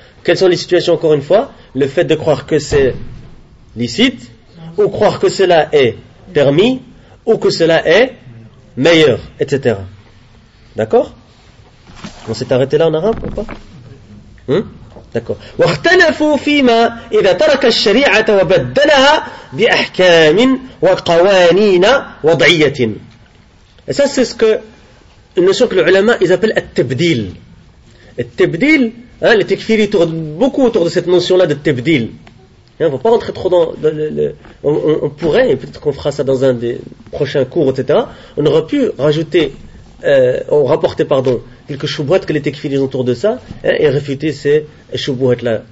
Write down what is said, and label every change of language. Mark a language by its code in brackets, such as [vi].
[fr] Quelles sont les situations encore une fois ? Le fait de croire que c'est licite, ou croire que cela est permis, ou que cela est meilleur, etc. D'accord ? On s'est arrêté là en arabe ou pas ? Hein ? D'accord. [ar] واختلفوا فيما إذا ترك الشريعة وبدلها بأحكام وقوانين وضعية. [fr] Et ça, c'est ce que le choc de l'ulama, ils appellent التبديل. التبديل, hein, les tekfiri tournent beaucoup autour de cette notion-là de التبديل. Il ne faut pas rentrer trop dans le, on pourrait, et peut-être qu'on fera ça dans un des prochains cours, etc. On aurait pu rajouter, ou rapporter, pardon, quelques choubouettes que les tekfiris autour de ça, hein, et réfuter ces choubouettes-là.